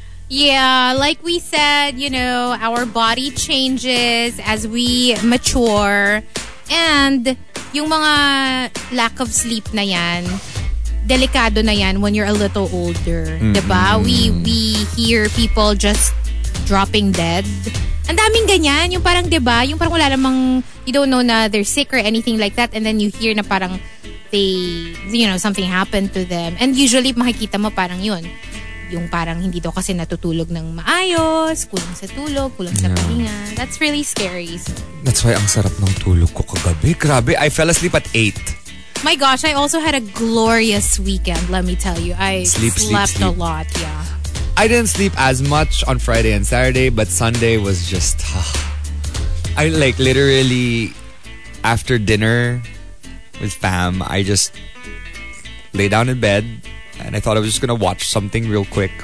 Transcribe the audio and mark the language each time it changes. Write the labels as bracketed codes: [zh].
[en] Yeah, like we said, you know, our body changes as we mature and yung mga lack of sleep na yan, [tl] delikado na yan [en] when you're a little older. Mm-hmm. Diba? We hear people just dropping dead. [tl] Ang daming ganyan. [en] Yung parang, diba? [tl] Yung parang wala namang, [en] you don't know na they're sick or anything like that. And then you hear na parang they, you know, something happened to them. [tl] And usually, makikita mo parang yun. Yung parang hindi daw kasi natutulog ng maayos, kulang sa tulog, kulang sa pahinga. [en] That's really scary. So, that's why [tl] ang sarap ng tulog ko kagabi. [en] Grabe, I fell asleep at 8. My gosh, I also had a glorious weekend, let me tell you. I slept a lot, yeah. I didn't sleep as much on Friday and Saturday, but Sunday was just, I like literally after dinner with fam, I just lay down in bed and I thought I was just gonna watch something real quick.